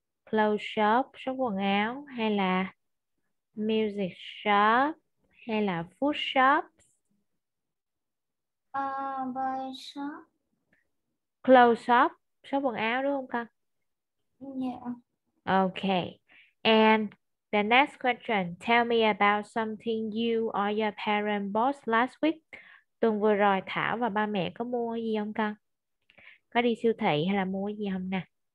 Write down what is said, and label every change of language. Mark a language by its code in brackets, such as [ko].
[en] Clothes shop, shop [vi] quần áo hay là [en] music shop [vi] hay là [en] food shop? By shop. Clothes shop, [vi] shop quần áo đúng không con? [en] Yeah. Okay. And the next question, tell me about something you or your parents bought last week. [vi] Tuần vừa rồi Thảo và ba mẹ có mua gì không con? Có đi siêu thị hay là mua gì không nè?